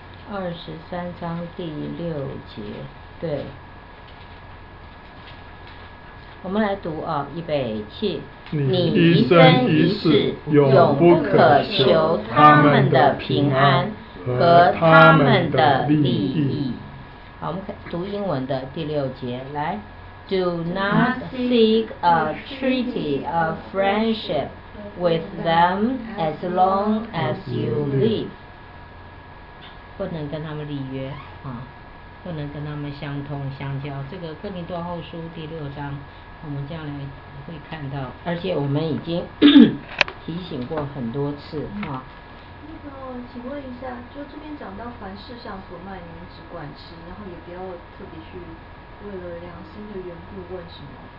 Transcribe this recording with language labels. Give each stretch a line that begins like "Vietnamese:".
Chinese: 二十三章第六节，对，我们来读啊，预备起。你一生一世永不可求他们的平安和他们的利益。好，我们读英文的第六节，来。
English: Do not seek a treaty of friendship with them as long as you live.
Chinese: 不能跟他们立约啊，不能跟他们相通相交。这个哥林多后书第六章，我们将来会看到，而且我们已经提醒过很多次啊。那个，请问一下，就这边讲到凡事向主卖，你们只管吃，然后也不要特别去为了良心的缘故问什么。